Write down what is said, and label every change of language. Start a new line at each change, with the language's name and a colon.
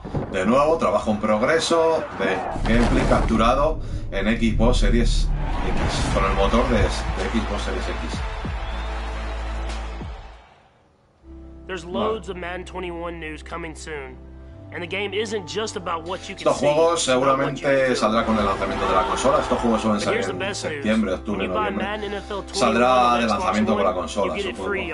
Spanish: De nuevo, trabajo en progreso de gameplay capturado en Xbox Series X, con el motor de Xbox Series X.
English: There's loads of Madden 21 news coming soon. And the game isn't just about what you can
Spanish: see. Estos juegos seguramente saldrá con el lanzamiento de la consola. Estos juegos suelen salir en septiembre, octubre, noviembre. Saldrá de lanzamiento con la consola, supongo.